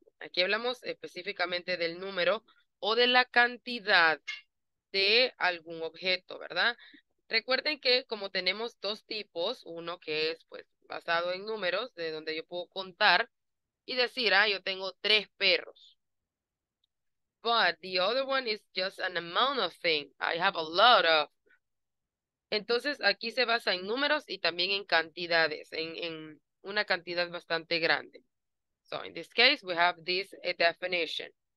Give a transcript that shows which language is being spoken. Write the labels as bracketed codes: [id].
[es] Aquí hablamos específicamente del número o de la cantidad de algún objeto, ¿verdad? Recuerden que como tenemos dos tipos, uno que es pues basado en números, de donde yo puedo contar y decir, ah, yo tengo tres perros. [en] But the other one is just an amount of things. I have a lot of. [es] Entonces, aquí se basa en números y también en cantidades, en una cantidad bastante grande. [en] So, in this case, we have this definition.